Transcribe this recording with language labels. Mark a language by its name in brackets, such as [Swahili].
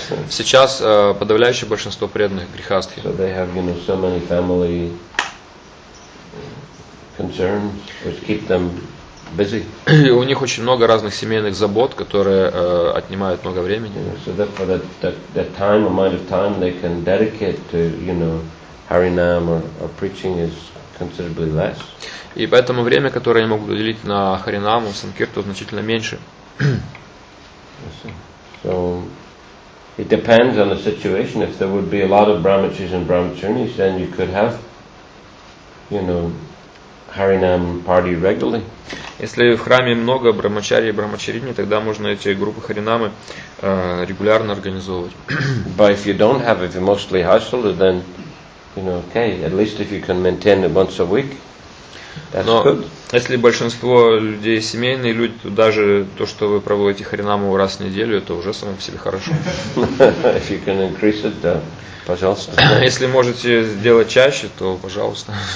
[Russian] Сейчас подавляющее большинство преданных грехастхи. [English] So they have, you know, so many family concerns which keep them busy. [Russian] У них очень много разных семейных забот, которые отнимают много времени. [English] So therefore the time, amount of time they can dedicate to, you know, Harinam or preaching is considerably less. [Russian] И поэтому время, которое они могут уделить на харинаму, санкирту, значительно меньше. [English] So it depends on the situation. If there would be a lot of brahmacharis and brahmacharinis, then you could have, you know, Harinam party regularly. [Russian] Если в храме много брахмачарий и брахмачарини, тогда можно эти группы харинамы регулярно организовывать. [English] But if you don't have, if you're mostly hustler, then you know, okay, at least if you can maintain it once a week, that's good. [Russian] Если большинство людей семейные люди, то даже то, что вы проводите харинаму раз в неделю, это уже само по себе хорошо. [English] If you can increase it, [Russian] да, пожалуйста. Если можете сделать чаще, то пожалуйста.